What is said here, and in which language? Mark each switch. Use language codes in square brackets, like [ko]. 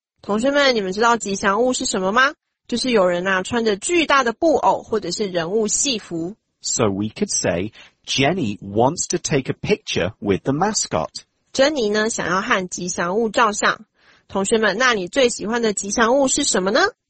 [zh] 同学们，你们知道吉祥物是什么吗？就是有人啊，穿着巨大的布偶或者是人物戏服。 [en] So we could say, Jenny wants to take a picture with the mascot. [zh] 珍妮呢，想要和吉祥物照相。同学们，那你最喜欢的吉祥物是什么呢？